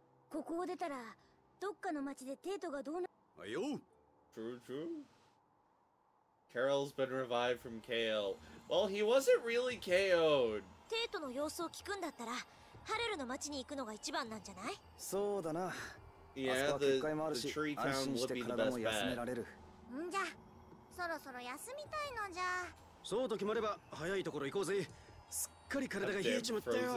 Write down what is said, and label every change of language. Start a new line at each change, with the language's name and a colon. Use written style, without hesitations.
Japanese: ここを出たら、どっかの町でテートがどうな。あよ。
English: トゥトゥ。Carol's been revived from KO. Well, he wasn't really KO'd.
Japanese: テートの様子を聞くんだったら、ハレルの町に行くのが一番なんじゃない？そうだな。
English: Yeah, the tree town would be the best bet.
Japanese: んじゃ、そろそろ休みたいのじゃ。そうと決まれば、早いところ行こうぜ。すっかり体が冷えちまったよ。